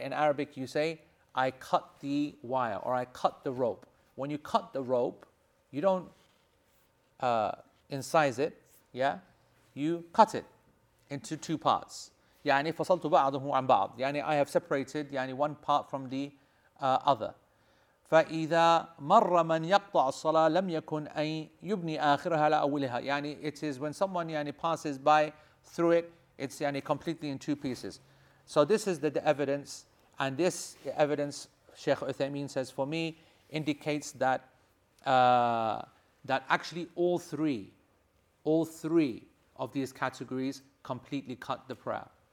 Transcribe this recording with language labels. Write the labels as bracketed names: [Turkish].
[English] In Arabic, you say, I cut the wire, or I cut the rope. When you cut the rope, you don't incise it, yeah? You cut it into two parts. [Arabic] يعني فصلت بعضه عن بعض. [English] يعني I have separated يعني one part from the other. [Arabic] فإذا مر من يقطع الصلاة لم يكن أي يبني آخرها لأولها. [English] يعني it is when someone يعني passes by through it, it's يعني completely in two pieces. So this is the evidence, and this evidence, Sheikh Uthaymeen says, for me indicates that that actually all three of these categories completely cut the prayer.